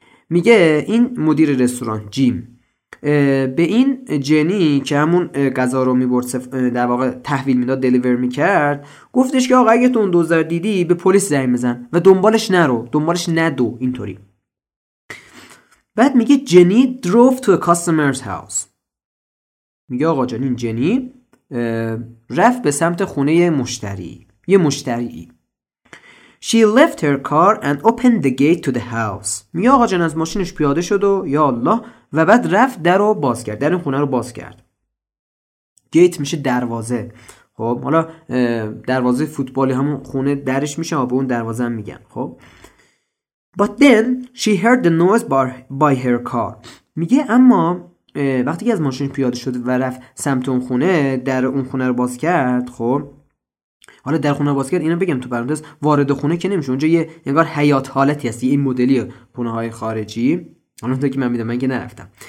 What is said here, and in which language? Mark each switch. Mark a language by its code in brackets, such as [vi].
[fa] میگه این مدیر رستوران جیم به این جنی که همون غذا رو میبرد در واقع تحویل میداد، دلیور میکرد، گفتش که آقا اگه تو اون دزد دیدی به پلیس زنگ بزن و دنبالش نرو، دنبالش ندو اینطوری. بعد میگه [en] Jenny drove to a customer's house. [fa] میگه آقا جان این جنی رفت به سمت خونه مشتری، یه مشتری. [en] She left her car and opened the gate to the house. [fa] می آقا جان از ماشینش پیاده شد و یا الله و بعد رفت در رو باز کرد، در خونه رو باز کرد. گیت میشه دروازه. خب حالا دروازه فوتبالی همون خونه درش میشه، به اون دروازه هم میگن. خب [en] But then she heard the noise by her car. [fa] میگه اما وقتی که از ماشینش پیاده شد و رفت سمت اون خونه، در اون خونه رو باز کرد. خب حالا در خونه باز کرد، اینو بگم تو پرانتز، وارد خونه که نمیشه، اونجا یه انگار حیات حالتی هست، این مدلی خونه های خارجی. حالا اونطور که من میدم، من که نرفتم.